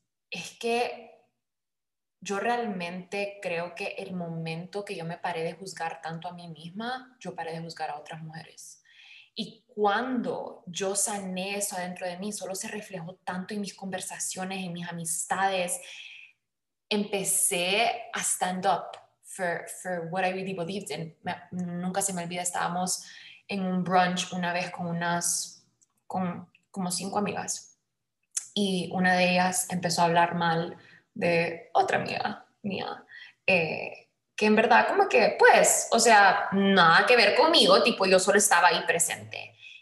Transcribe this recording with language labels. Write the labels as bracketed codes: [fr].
[es] Es que yo realmente creo que el momento que yo me paré de juzgar tanto a mí misma, yo paré de juzgar a otras mujeres. Y cuando yo sané eso adentro de mí, solo se reflejó tanto en mis conversaciones, en mis amistades. Empecé a [en] stand up for what I really believed in. [es] Nunca se me olvida, estábamos en un brunch una vez con como 5 amigas y una de ellas empezó a hablar mal de otra amiga mía, que en verdad como que pues, o sea, nada que ver conmigo, tipo yo solo estaba ahí presente.